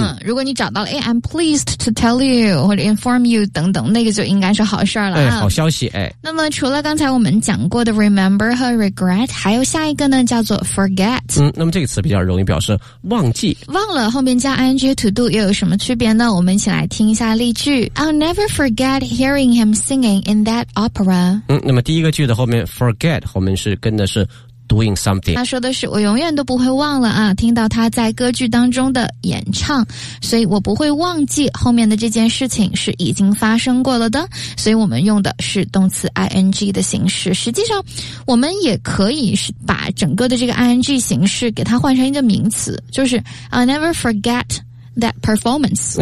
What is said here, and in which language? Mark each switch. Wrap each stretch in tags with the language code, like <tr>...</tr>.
<zh>如果你找到了</zh> <en>I'm pleased to tell you</en> <zh>或者</zh> <en>inform you</en> <zh>等等，那个就应该是好事了、啊、哎，好消息。哎，那么除了刚才我们讲过的 remember 和 regret， 还有下一个呢叫做 forget。嗯，那么这个词比较容易表示忘记，忘了后面加 ing to do 又有什么区别呢？我们一起来听一下例句。</zh> <en>I'll never forget hearing him singing in that opera。</en> <zh>嗯，那么第一个句的后面 forget 后面是跟的是doing something，他说的是我永远都不会忘了啊，听到他在歌剧当中的演唱，所以我不会忘记后面的这件事情是已经发生过了的，所以我们用的是动词 ing 的形式。实际上我们也可以是把整个的这个 ing 形式给它换成一个名词，就是</zh> <en>I'll never forget that performance，</en>